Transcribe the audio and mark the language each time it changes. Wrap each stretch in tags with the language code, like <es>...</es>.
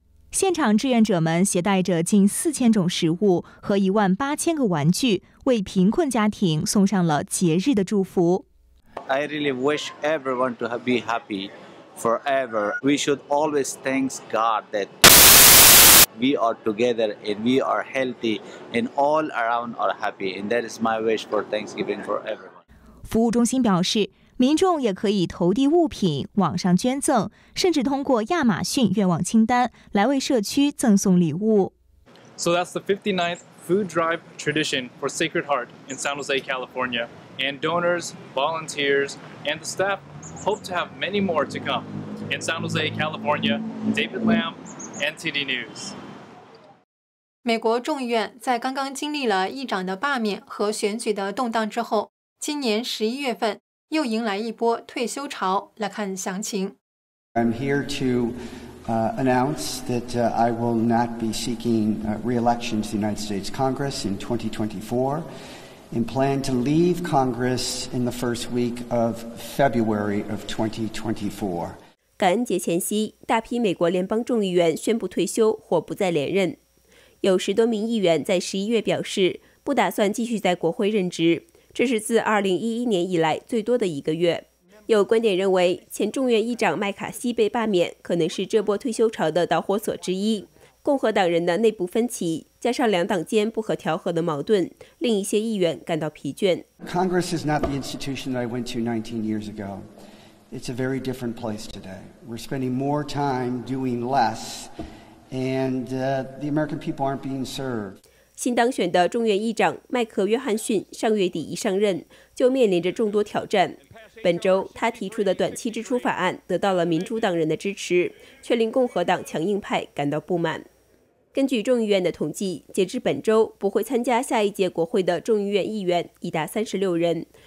<zh>现场志愿者们携带着近4000种食物和18000个玩具，为贫困家庭送上了节日的祝福。</zh> <en>I really wish everyone to be happy forever. We should always thank God that we are together and we are healthy and all around are happy. And that is my wish for Thanksgiving for everyone.</en> <zh>服务中心表示，民众也可以投递物品、网上捐赠，甚至通过亚马逊愿望清单来为社区赠送礼物。</zh> <en>So that's the 59th food drive tradition for Sacred Heart in San Jose, California. And donors, volunteers, and the staff hope to have many more to come. In San Jose, California, David Lam, NTD News.</en> <zh>美国众议院在刚刚经历了议长的罢免和选举的动荡之后，今年11月份又迎来一波退休潮，来看详情。</zh> <en>I'm here to announce that I will not be seeking re-election to the United States Congress in 2024, and plan to leave Congress in the first week of February of 2024.</en> <zh>感恩节前夕，大批美国联邦众议员宣布退休或不再连任。有十多名议员在11月表示，不打算继续在国会任职。这是自2011年以来最多的一个月。有观点认为，前众院议长麦卡锡被罢免可能是这波退休潮的导火索之一。共和党人的内部分歧，加上两党间不可调和的矛盾，令一些议员感到疲倦。</zh> <en>Congress is not the institution that I went to 19 years ago. It's a very different place today. We're spending more time doing less, and the American people aren't being served.</en> <zh>新当选的众院议长麦克·约翰逊上月底一上任就面临着众多挑战。本周他提出的短期支出法案得到了民主党人的支持，却令共和党强硬派感到不满。根据众议院的统计，截至本周不会参加下一届国会的众议院议员已达36人。</zh>